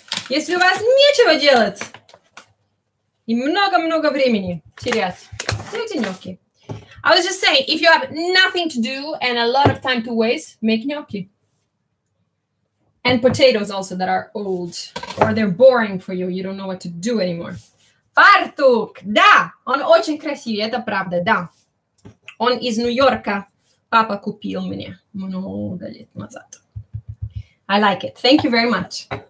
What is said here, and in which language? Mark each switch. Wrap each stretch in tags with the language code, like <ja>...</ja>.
<ru>Если у вас нечего делать и много-много времени терять.</ru> <en>I was just saying, if you have nothing to do and a lot of time to waste, make gnocchi. And potatoes also that are old or they're boring for you. You don't know what to do anymore.</en> <ru>Fartuk, да, он очень красивый, это правда, да. Он из Нью-Йорка, папа купил меня много лет назад.</ru> <en>I like it. Thank you very much.</en>